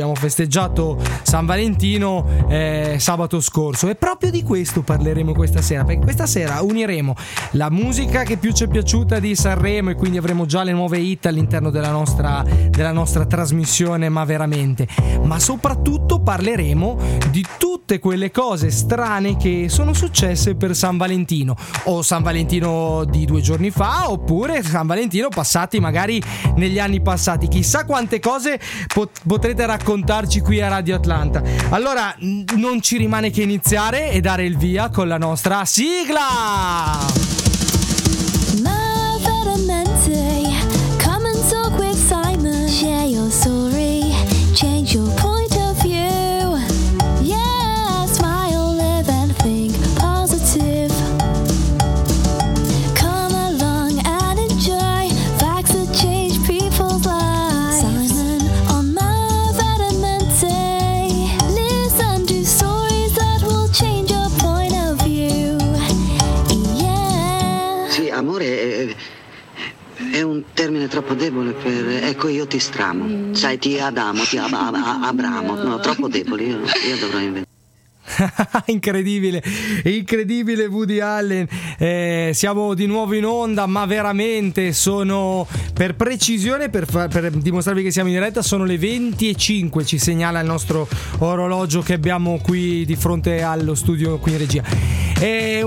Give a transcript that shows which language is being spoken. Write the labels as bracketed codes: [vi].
[it] Abbiamo festeggiato San Valentino sabato scorso e proprio di questo parleremo questa sera, perché questa sera uniremo la musica che più ci è piaciuta di Sanremo e quindi avremo già le nuove hit all'interno della nostra trasmissione Ma Veramente, ma soprattutto parleremo di tutte quelle cose strane che sono successe per San Valentino, o San Valentino di due giorni fa, oppure San Valentino passati magari negli anni passati. Chissà quante cose potrete raccontarci qui a Radio Atlanta. Allora non ci rimane che iniziare e dare il via con la nostra sigla. [en] Ma veramente, come and talk with Simon. Share your story, change your point of view. Yeah, smile, live and think positive. Come along and enjoy facts that change people's lives. Simon on Ma Veramente. Listen to stories that will change your point of view. Yeah. [it] Sì, amore. È un termine troppo debole per... Ecco, io ti stramo. Sai, ti adamo, ti abramo. No, troppo debole, io dovrò inventare. Incredibile, incredibile Woody Allen. Siamo di nuovo in onda, ma veramente sono, per precisione, per dimostrarvi che siamo in diretta, sono le 20:05, ci segnala il nostro orologio che abbiamo qui di fronte allo studio qui in regia.